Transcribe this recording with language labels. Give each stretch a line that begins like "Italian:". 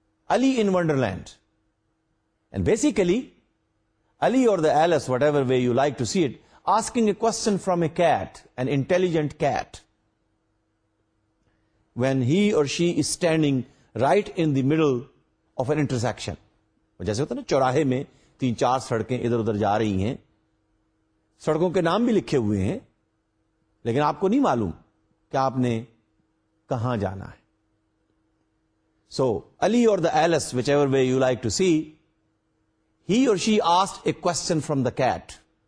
English: Ali in Wonderland, and basically Ali or the Alice, whatever way you like to see it, asking a question from a cat, an intelligent cat. When he or she is standing right in the middle of an intersection.
Urdu: جیسے ہوتا ہے نا چوراہے میں تین چار سڑکیں ادھر ادھر جا رہی ہیں, سڑکوں کے نام بھی لکھے ہوئے ہیں لیکن آپ کو نہیں معلوم کہ آپ نے کہاں جانا ہے.
English: So Ali or the Alice, whichever way you like to see, he or she asked a question from the cat.